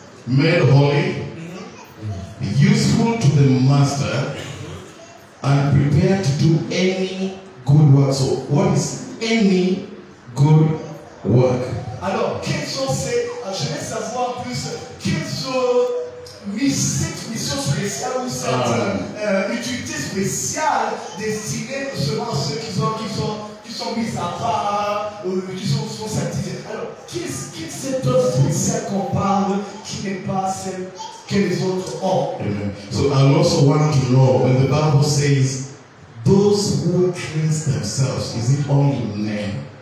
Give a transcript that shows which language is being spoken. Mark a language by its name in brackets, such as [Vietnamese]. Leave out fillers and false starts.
[English] Made holy, useful to the master, and prepared to do any good work. So, what is any good work? [French] Alors, quelles sont ces, je vais savoir plus, quelles sont cette mission spéciale ou cette utilité spéciale destinée seulement à ceux qui sont sont mis à part, qui sont sanctifiés. Alors, qui est cet autre spécial qu'on parle qui n'est pas celle que les autres ont? [English] Amen. So I also want to know when the Bible says those who cleanse themselves, is it only men?